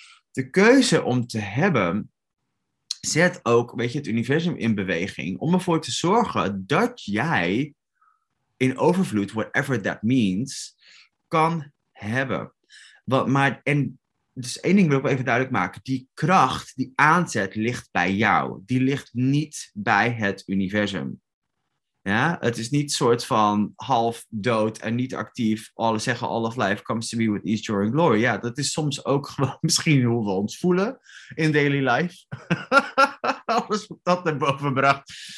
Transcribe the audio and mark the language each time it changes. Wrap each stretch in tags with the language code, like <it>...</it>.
<nl>De keuze om te hebben zet ook, weet je, het universum in beweging, om ervoor te zorgen dat jij in overvloed,</nl> <en>whatever that means,</en> <nl>kan hebben. Dus één ding wil ik even duidelijk maken. Die kracht, die aanzet, ligt bij jou. Die ligt niet bij het universum. Ja? Het is niet soort van half dood en niet actief.</nl> <en>All,</en> <nl>zeggen</nl> <en>all of life comes to me with ease, joy and glory.</en> <nl>Ja, dat is soms ook gewoon misschien hoe we ons voelen in</nl> <en>daily life.</en> <nl>Alles wat dat naar boven bracht.</nl>